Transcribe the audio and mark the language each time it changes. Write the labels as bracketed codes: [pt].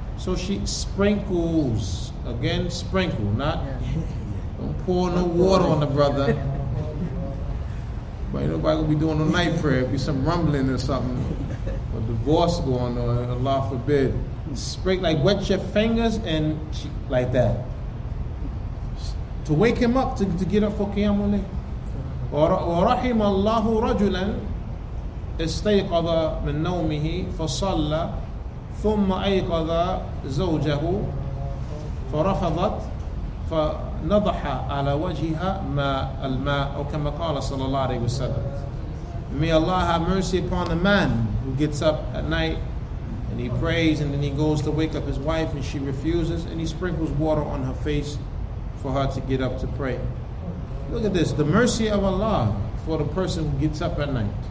[en] So she sprinkles. Again, sprinkle, not don't pour no water on the brother. But ain't nobody gonna be doing a night prayer. It'll be some rumbling or something. A divorce going on, Allah forbid. Spray, like, wet your fingers and like that. To wake him up, to get up for Qiyam al-Layl. [ar] ورحم الله رجلا استيقظ من نومه فصلى ثم أيقظ زوجه فرفضت فنضح على وجهها ماء الماء أو كما قال صلى الله عليه وسلم. [en] May Allah have mercy upon the man who gets up at night and he prays and then he goes to wake up his wife and she refuses and he sprinkles water on her face for her to get up to pray. Look at this, the mercy of Allah for the person who gets up at night.